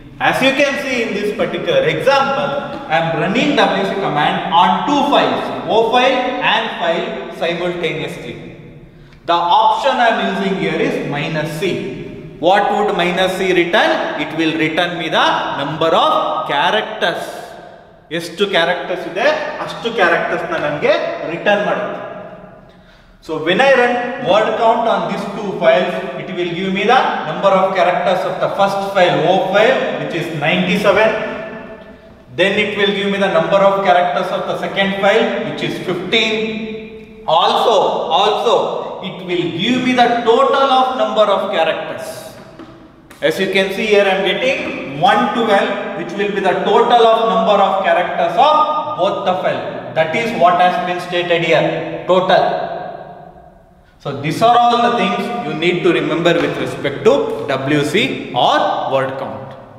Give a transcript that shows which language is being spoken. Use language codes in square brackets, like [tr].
[en] As you can see in this particular example, I am running WC command on two files, O file and file, simultaneously. The option I am using here is minus C. What would minus C return? It will return me the number of characters. [kn] ಎಷ್ಟು characters ಇದೆ ಅಷ್ಟು characters ನ ನನಗೆ return ಮಾಡುತ್ತೆ. [en] So when I run word count on this two files, it will give me the number of characters of the first file oh file, which is 97. Then it will give me the number of characters of the second file, which is 15. Also it will give me the total of number of characters. As you can see here, I am getting 112, which will be the total of number of characters of both the file. That is what has been stated here, total. So these are all the things you need to remember with respect to WC or word count.